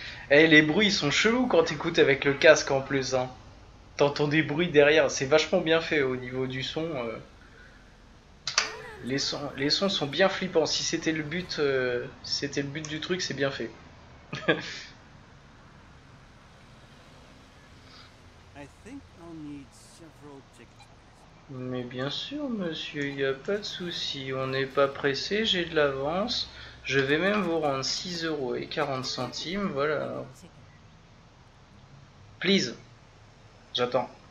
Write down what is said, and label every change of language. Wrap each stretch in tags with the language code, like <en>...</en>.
<fr>Eh, les bruits sont chelous quand t'écoutes avec le casque en plus. Hein. T'entends des bruits derrière. C'est vachement bien fait au niveau du son. Les sons sont bien flippants. Si c'était le but, c'était le but du truc, c'est bien fait.</fr> <en>I think I'll need several tickets.</en> <fr>Mais bien sûr, monsieur, il n'y a pas de souci. On n'est pas pressé, j'ai de l'avance. Je vais même vous rendre 6,40 €. Voilà.</fr> <en>Please.</en> <fr>J'attends.</fr>